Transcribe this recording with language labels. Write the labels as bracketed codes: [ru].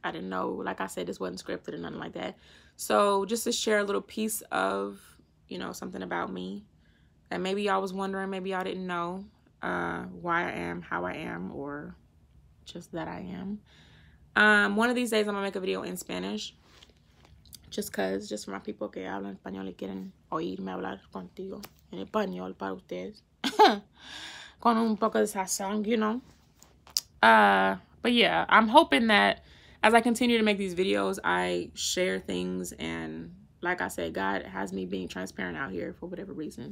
[en] I didn't know, like I said, this wasn't scripted or nothing like that. So just to share a little piece of, you know, something about me. And maybe y'all was wondering, maybe y'all didn't know why I am, how I am, or just that I am. One of these days I'm gonna make a video in Spanish. Just for my people [es] que hablan español y quieren oírme hablar contigo en español para ustedes. Con un poco de sazón, [en] you know. But yeah, I'm hoping that as I continue to make these videos, I share things. And like I said, God has me being transparent out here for whatever reason.